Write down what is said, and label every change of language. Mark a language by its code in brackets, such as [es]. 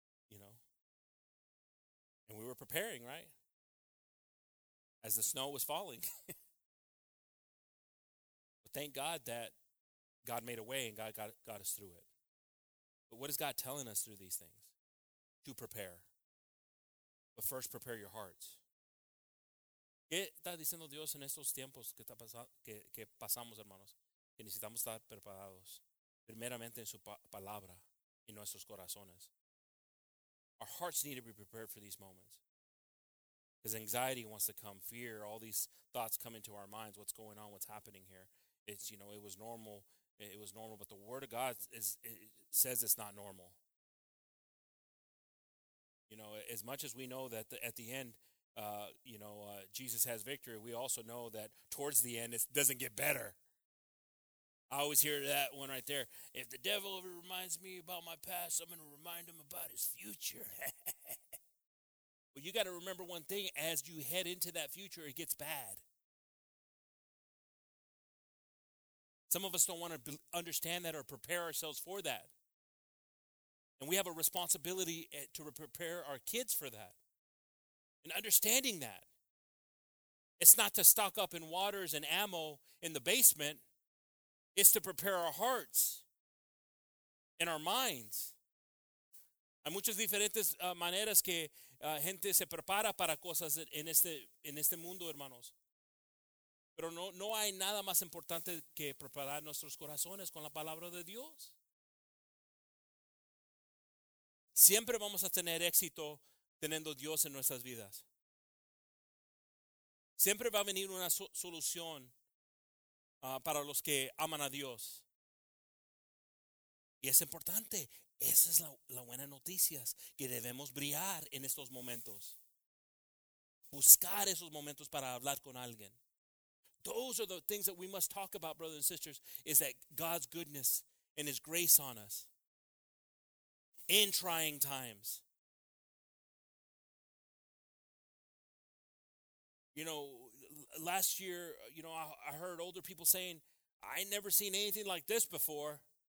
[en] You know. And we were preparing, right? As the snow was falling. But thank God that God made a way and God got us through it. But what is God telling us through these things? To prepare. But first, prepare your hearts. [es] ¿Qué está diciendo Dios en estos tiempos que pasamos, hermanos? Que necesitamos estar preparados primeramente en su palabra y nuestros corazones. [en] Our hearts need to be prepared for these moments. Because anxiety wants to come, fear, all these thoughts come into our minds. What's going on? What's happening here? It's, you know, it was normal. It was normal. But the word of God says it's not normal. You know, as much as we know that at the end, you know, Jesus has victory, we also know that towards the end, it doesn't get better. I always hear that one right there. If the devil ever reminds me about my past, I'm going to remind him about his future. Well, you got to remember one thing. As you head into that future, it gets bad. Some of us don't want to understand that or prepare ourselves for that. And we have a responsibility to prepare our kids for that. And understanding that, it's not to stock up in waters and ammo in the basement. It's to prepare our hearts and our minds. [es] Hay muchas diferentes maneras que gente se prepara para cosas en este mundo, hermanos. Pero no hay nada más importante que preparar nuestros corazones con la palabra de Dios. Siempre vamos a tener éxito teniendo Dios en nuestras vidas. Siempre va a venir una solución para los que aman a Dios. Y es importante. Esa es la buena noticia, que debemos brillar en estos momentos. Buscar esos momentos para hablar con alguien. [en] Those are the things that we must talk about, brothers and sisters, is that God's goodness and his grace on us in trying times. You know, last year, you know, I heard older people saying, I never seen anything like this before.